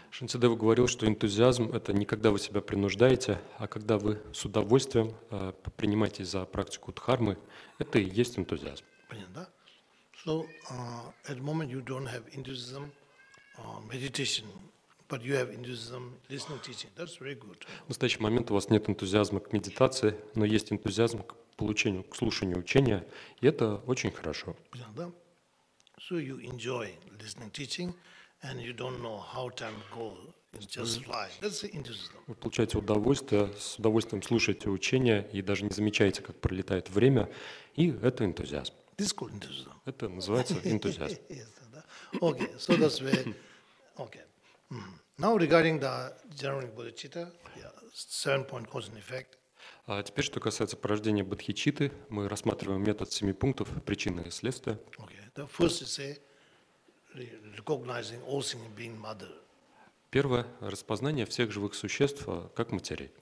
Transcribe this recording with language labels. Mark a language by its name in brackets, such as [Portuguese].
[Russian] Шанти Дева говорил, что энтузиазм – это не когда вы себя принуждаете, а когда вы с удовольствием принимаете за практику дхармы. Это и есть энтузиазм. Понятно, да? [English] So, at the moment you don't have enthusiasm, meditation, but you have enthusiasm listening teaching. That's very good. [Russian] В настоящий момент у вас нет энтузиазма к медитации, но есть энтузиазм к получению, к слушанию учения, и это очень хорошо. Понятно, да? [English] So you enjoy listening teaching. And you don't know how time goes; it just flies. That's enthusiasm. [Russian] Вы получаете удовольствие, с удовольствием слушаете учение и даже не замечаете, как пролетает время, и это энтузиазм. [English] This is called enthusiasm. [Russian] Это называется энтузиазм. [English] Yes, okay, so that's where. Okay. Now regarding the general bodhicitta, seven-point cause and effect. [Russian] А теперь, что касается порождения бодхичитты, мы рассматриваем метод семи пунктов причины и следствия. [English] Okay. The first is recognizing all things being mother. [Russian] Первое – распознание всех живых существ как матерей.